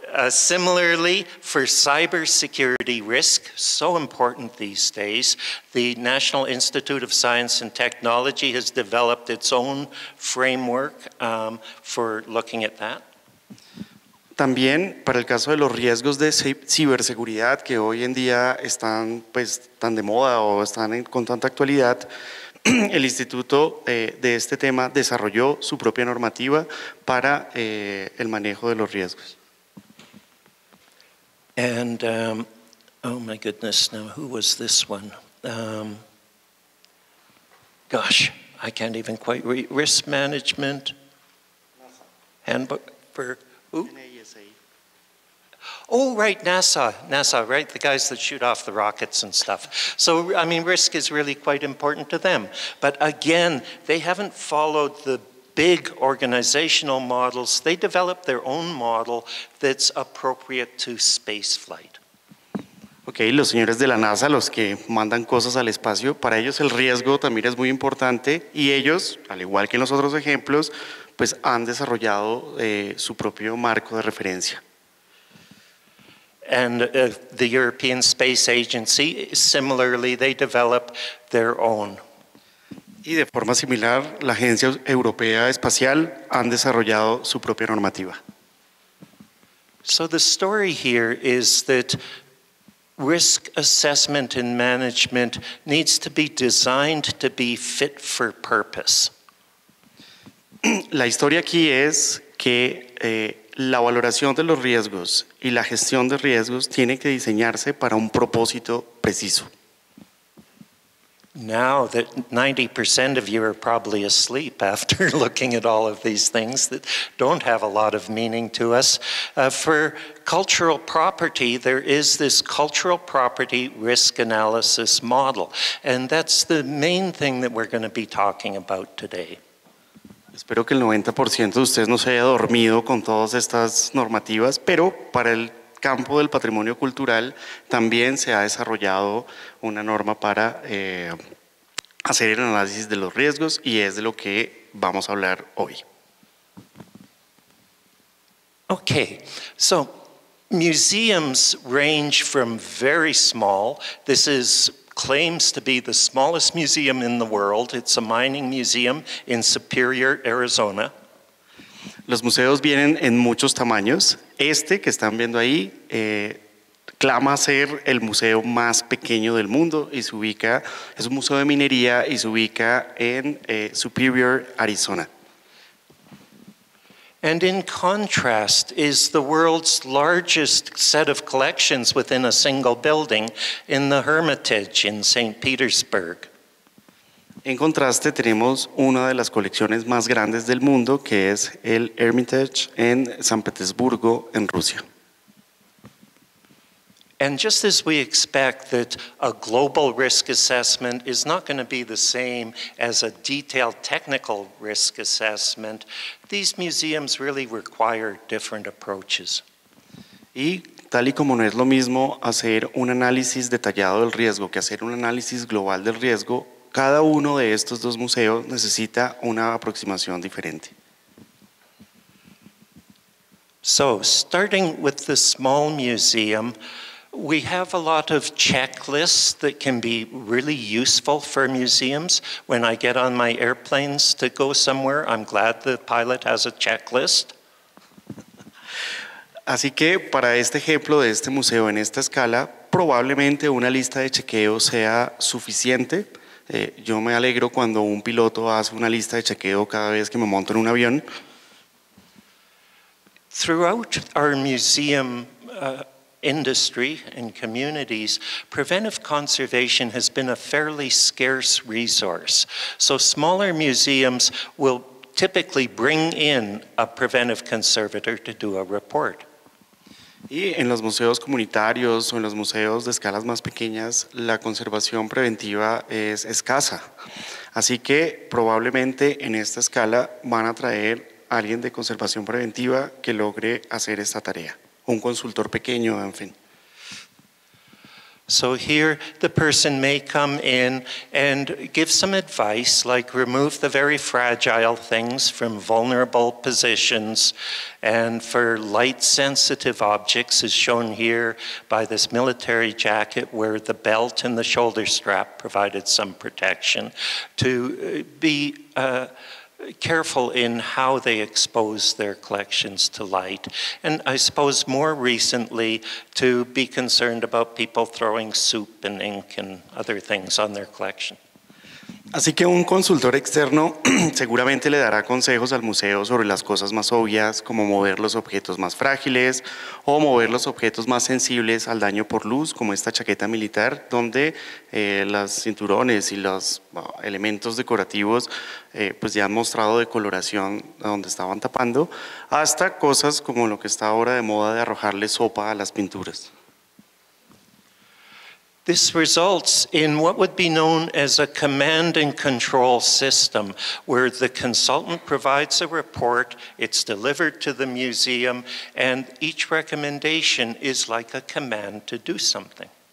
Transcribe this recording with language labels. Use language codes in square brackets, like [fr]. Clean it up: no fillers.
[en] Similarly, for cybersecurity risk, so important these days, the National Institute of Science and Technology has developed its own framework for looking at that. [es] También para el caso de los riesgos de ciberseguridad que hoy en día están pues tan de moda o están con tanta actualidad, el instituto de este tema desarrolló su propia normativa para el manejo de los riesgos. [en] And oh my goodness, now who was this one? Gosh, I can't even quite read. Risk management handbook for who? Oh, right, NASA, right, the guys that shoot off the rockets and stuff. So, I mean, risk is really quite important to them. But again, they haven't followed the big organizational models. They developed their own model that's appropriate to space flight. [es] Okay, los señores de la NASA, los que mandan cosas al espacio, para ellos el riesgo también es muy importante, y ellos, al igual que en los otros ejemplos, pues han desarrollado su propio marco de referencia. [en] And the European Space Agency, similarly, they develop their own. [es] Y de forma similar, la Agencia Europea Espacial han desarrollado su propia normativa. [en] So the story here is that risk assessment and management needs to be designed to be fit for purpose. [es] La historia aquí es que la valoración de los riesgos y la gestión de riesgos tiene que diseñarse para un propósito preciso. [en] Now that 90% of you are probably asleep after looking at all of these things that don't have a lot of meaning to us, for cultural property, there is this cultural property risk analysis model. And that's the main thing that we're going to be talking about today. [es] Espero que el 90% de ustedes no se haya dormido con todas estas normativas, pero para el campo del patrimonio cultural también se ha desarrollado una norma para hacer el análisis de los riesgos, y es de lo que vamos a hablar hoy. [en] Okay, so museums range from very small, this is claims to be the smallest museum in the world. It's a mining museum in Superior, Arizona. [es] Los museos vienen en muchos tamaños. Este que están viendo ahí clama ser el museo más pequeño del mundo y se ubica, es un museo de minería y se ubica en Superior, Arizona. [en] And in contrast is the world's largest set of collections within a single building in the Hermitage in St. Petersburg. [es] En contraste tenemos una de las colecciones más grandes del mundo que es el Hermitage en San Petersburgo en Rusia. [en] And just as we expect that a global risk assessment is not going to be the same as a detailed technical risk assessment, these museums really require different approaches. [es] Y tal y como no es lo mismo hacer un análisis detallado del riesgo que hacer un análisis global del riesgo, cada uno de estos dos museos necesita una aproximación diferente. [en] So, starting with the small museum, we have a lot of checklists that can be really useful for museums. When I get on my airplanes to go somewhere, I'm glad the pilot has a checklist. [es] Así que para este ejemplo de este museo en esta escala, probablemente una lista de chequeo sea suficiente. Yo me alegro cuando un piloto hace una lista de chequeo cada vez que me monto en un avión. [en] Throughout our museum industry and communities, preventive conservation has been a fairly scarce resource. So smaller museums will typically bring in a preventive conservator to do a report. [es] Y en los museos comunitarios o en los museos de escalas más pequeñas, la conservación preventiva es escasa. Así que probablemente en esta escala van a traer a alguien de conservación preventiva que logre hacer esta tarea. Un consultor pequeño, en fin. [en] So here the person may come in and give some advice, like remove the very fragile things from vulnerable positions, and for light sensitive objects, as shown here by this military jacket where the belt and the shoulder strap provided some protection, to be careful in how they expose their collections to light. And I suppose more recently, to be concerned about people throwing soup and ink and other things on their collection. [es] Así que un consultor externo seguramente le dará consejos al museo sobre las cosas más obvias, como mover los objetos más frágiles o mover los objetos más sensibles al daño por luz, como esta chaqueta militar, donde las cinturones y los elementos decorativos pues ya han mostrado decoloración donde estaban tapando, hasta cosas como lo que está ahora de moda de arrojarle sopa a las pinturas. [en] This results in what would be known as a command and control system, where the consultant provides a report, it's delivered to the museum, and each recommendation is like a command to do something.